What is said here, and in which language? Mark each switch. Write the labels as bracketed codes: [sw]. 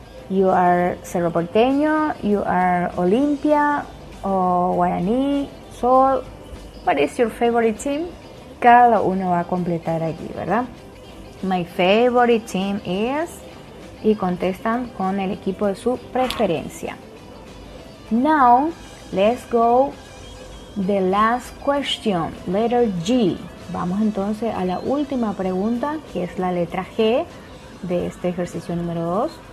[en] You are Cerro Porteño, you are Olimpia, o Guaraní, Sol. What is your favorite team? [es] Cada uno va a completar allí, ¿verdad? [en] My favorite team is... [es] Y contestan con el equipo de su preferencia. [en] Now, let's go the last question, letter G. [es] Vamos entonces a la última pregunta, que es la letra G de este ejercicio número 2.